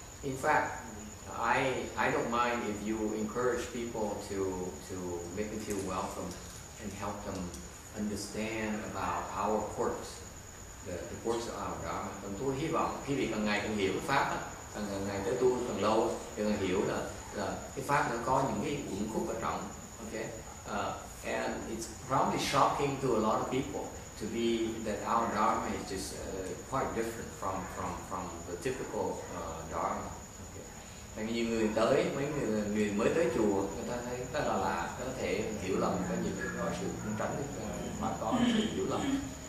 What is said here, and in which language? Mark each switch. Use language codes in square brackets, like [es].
[en] In fact, I don't mind if you encourage people to make them feel welcome and help them understand about our quirks, the quirks of our Dharma. [vi] Tôi hy vọng khi vị càng ngày càng hiểu pháp, càng ngày tới tu càng lâu, càng hiểu là cái pháp nó có những cái uẩn khúc ở trong. [en] Okay. And it's probably shocking to a lot of people to be that our Dharma is just quite different from the typical Dharma. Okay. [vi] Nhiều người tới, mấy người mới tới chùa, người ta thấy rất là lạ, có thể hiểu lầm, có nhiều người có sự không tránh được mà có sự hiểu lầm.